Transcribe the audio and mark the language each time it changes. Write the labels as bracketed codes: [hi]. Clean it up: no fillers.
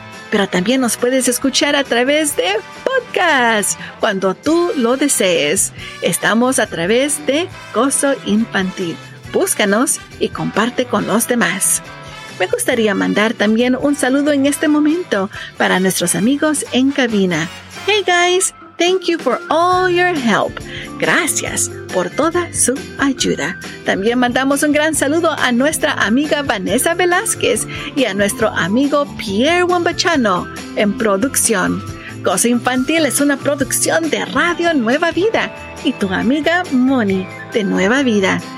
[es] Pero también nos puedes escuchar a través de podcast cuando tú lo desees. Estamos a través de Gozo Infantil. Búscanos y comparte con los demás. Me gustaría mandar también un saludo en este momento para nuestros amigos en cabina. [en] Hey guys, thank you for all your help. [es] Gracias por toda su ayuda. También mandamos un gran saludo a nuestra amiga Vanessa Velázquez y a nuestro amigo Pierre Wambachano en producción. Gozo Infantil es una producción de Radio Nueva Vida y tu amiga Moni de Nueva Vida.